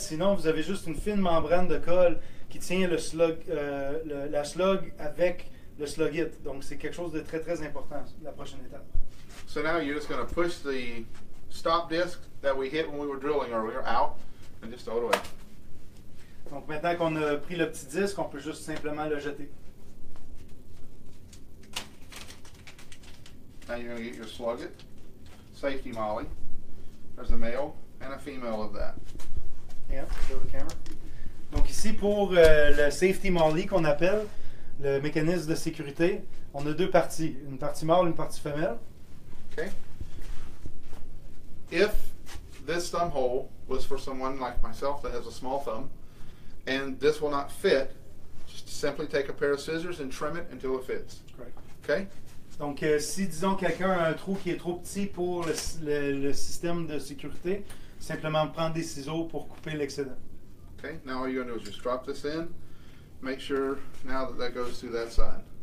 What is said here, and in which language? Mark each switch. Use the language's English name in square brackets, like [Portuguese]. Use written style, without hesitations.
[French] Sinon, vous avez juste une fine membrane de colle qui tient le slug, la slug avec le slug-it. Donc, c'est quelque chose de très, très important, la prochaine étape. [English] So now you're just going to push the stop disc that we hit when we were drilling earlier out and just throw it away. [French] Donc maintenant qu'on a pris le petit disque, on peut juste simplement le jeter. [English] Now you're going to get your slug it, safety molly. There's a male and a female of that. Yeah, show the camera. [French] Donc ici pour le safety molly qu'on appelle, le mécanisme de sécurité, on a deux parties, une partie mâle, une partie femelle. Okay. [English] If this thumb hole was for someone like myself that has a small thumb, and this will not fit, just simply take a pair of scissors and trim it until it fits. Correct. Okay. [French] Donc, si disons quelqu'un a un trou qui est trop petit pour le système de sécurité, simplement prendre des ciseaux pour couper l'excédent. [English] Okay. Now all you're going to do is just drop this in. Make sure now that that goes through that side.